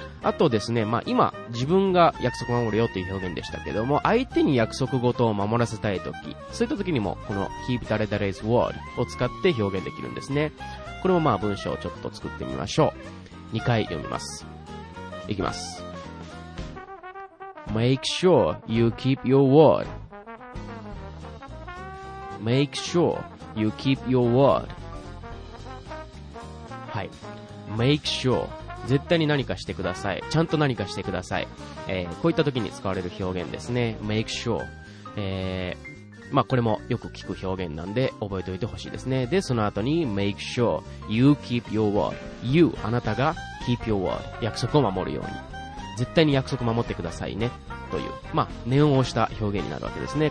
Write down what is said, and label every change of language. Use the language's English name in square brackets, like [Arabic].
[Japanese] あとですね、まあ、今、自分が約束守るよという表現でしたけども、相手に約束事を守らせたいとき、そういったときにも、この keep だれだれ's word を使って表現できるんですね。これもま、文章をちょっと作ってみましょう。 2回読みます。いきます。 [English] Make sure you keep your word.Make sure you keep your word. [Japanese] はい、Make sure 絶対に何かしてください、ちゃんと何かしてください、こういった時に使われる表現ですね。 Make sure、まあ、これもよく聞く表現なんで覚えておいてほしいですね。でその後に [English] Make sure you keep your word、 [Japanese] you あなたが keep your word、 約束を守るように、絶対に約束守ってくださいねという、まあ、念を押した表現になるわけですね。